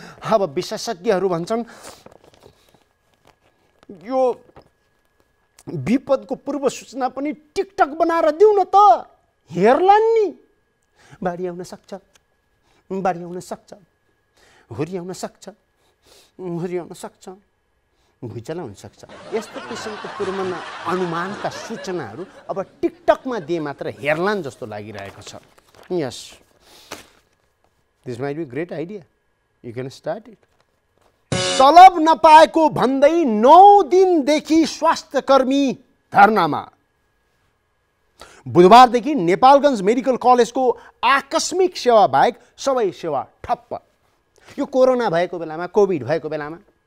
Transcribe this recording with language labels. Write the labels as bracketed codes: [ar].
[ne] अब विशेषज्ञहरू भन्छन् यो विपदको पूर्व सूचना पनि टिकटक बनाएर दिउ न त, हेर्लान् नि, बाढी आउन सक्छ, बाढी आउन सक्छ, हुरी आउन सक्छ, हुरी आउन सक्छ, भुइँचाल हुन सक्छ, यस्तो किसिमको पूर्व अनुमानका सूचनाहरू अब टिकटकमा दिए मात्र हेर्लान् जस्तो लागिरहेको छ। [en] Yes, this might be a great idea. You can start it. [ne] तलब नपाएको भन्दै 9 दिन देखि स्वास्थ्यकर्मी धरनामा बुधबार देखि नेपालगञ्ज मेडिकल कलेजको आकस्मिक सेवा बाहेक सबै सेवा ठप्प यो कोरोना भएको बेलामा कोभिड भएको बेलामा